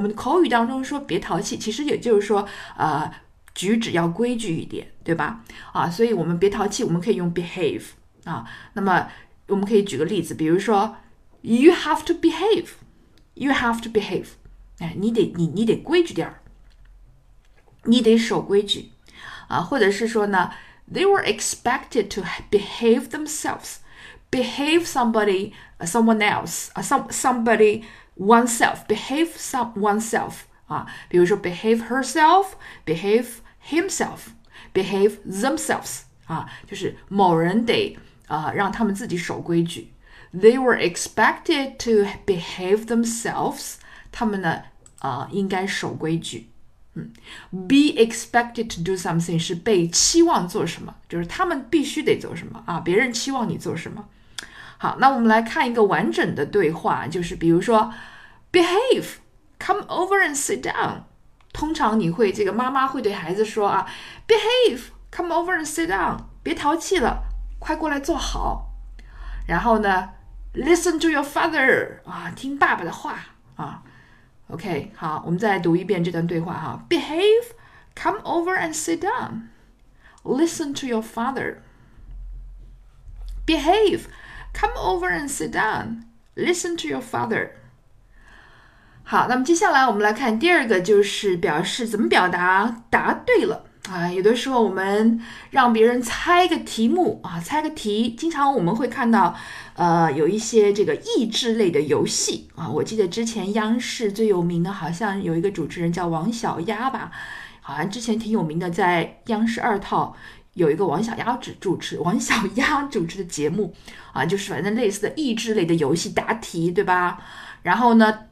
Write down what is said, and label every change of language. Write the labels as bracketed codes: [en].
[zh] 我们口语当中说别淘气，其实也就是说举止要规矩一点，对吧？啊，所以我们别淘气，我们可以用 behave 啊。那么我们可以举个例子，比如说 [en] you have to behave， [zh] you have to behave，哎，你得规矩点儿，你得守规矩啊。或者是说呢， [en] they were expected to behave themselves，behave someone else，somebody oneself，behave some oneself 啊。 [zh] 比如说 [en] behave herself，behave himself，behave themselves [zh] 啊，就是某人得让他们自己守规矩。 [en] They were expected to behave themselves， [zh] 他们呢应该守规矩。 [en] Be expected to do something [zh] 是被期望做什么，就是他们必须得做什么啊，别人期望你做什么。好，那我们来看一个完整的对话，就是比如说， [en] behave，come over and sit down。 [zh] 通常你会这个妈妈会对孩子说啊， [en] behave，come over and sit down， [zh] 别淘气了，快过来坐好。然后呢， [en] listen to your father [zh] 啊，听爸爸的话啊。 [en] OK， [zh] 好，我们再来读一遍这段对话哈， [en] behave，come over and sit down，listen to your father，behave，come over and sit down，listen to your father。 [zh] 好，那么接下来我们来看第二个，就是表示怎么表达答对了啊。有的时候我们让别人猜个题目啊，猜个题，经常我们会看到，有一些这个益智类的游戏啊。我记得之前央视最有名的，好像有一个主持人叫王小丫吧，好像之前挺有名的，在央视二套有一个王小丫主持的节目啊，就是反正类似的益智类的游戏答题，对吧？然后呢？